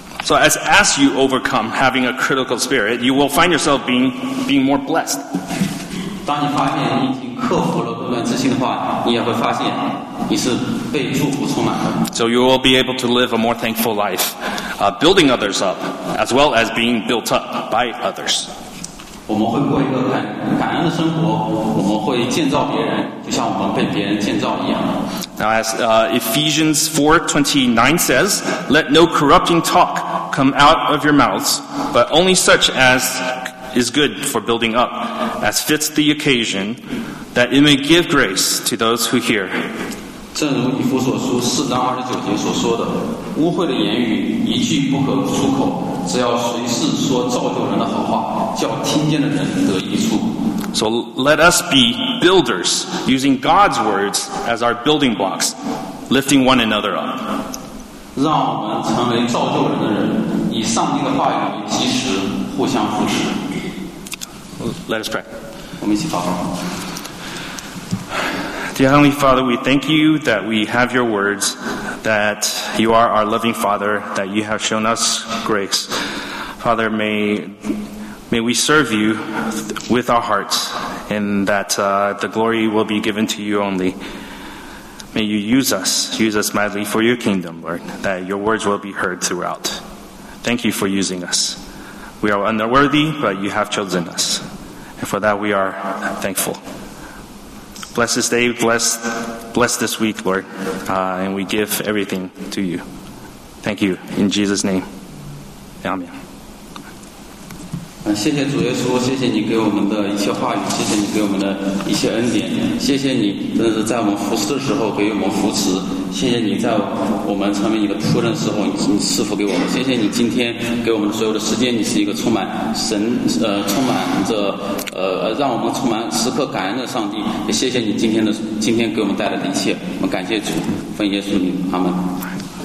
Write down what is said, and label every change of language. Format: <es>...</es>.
<en>As you overcome having a critical spirit, you will find yourself being more blessed.</en> <zh>当你发现你已经克服了论断之心的话，你也会发现你是被祝福充满的。</zh> <en>So you will be able to live a more thankful life, building others up, as well as being built up by others.</en> <zh>我们会过一个感恩的生活，我们会建造别人，就像我们被别人建造一样。</zh> <en>Now as Ephesians 4:29 says, let no corrupting talk come out of your mouths, but only such as is good for building up, as fits the occasion, that it may give grace to those who hear.</en> <zh>正如以弗所书四章二十九节所说的，污秽的言语一句不可出口，只要随时说造就人的好话，叫听见的人得益处。</zh> <en>So let us be builders, using God's words as our building blocks, lifting one another up.</en> <zh>让我们成为造就人的人，以上帝的话语为基石，互相扶持。</zh> <en>Let us pray.</en> <zh>我们一起祷告。</zh> <en>Dear Heavenly Father, we thank you that we have your words, that you are our loving Father, that you have shown us grace. Father, may we serve you with our hearts, and that the glory will be given to you only. May you use us mightily for your kingdom, Lord, that your words will be heard throughout. Thank you for using us. We are unworthy, but you have chosen us. And for that, we are thankful. Bless this day, bless this week, Lord, and we give everything to you. Thank you, in Jesus' name. Amen.</en> <zh>谢谢主耶稣，谢谢你给我们的一些话语，谢谢你给我们的一些恩典，谢谢你真的是在我们服侍的时候给我们扶持，谢谢你在我们成为你的仆人的时候你赐福给我们，谢谢你今天给我们所有的时间，你是一个充满神充满着让我们充满时刻感恩的上帝，也谢谢你今天给我们带来的一切，我们感谢主，奉耶稣名，阿门。</zh>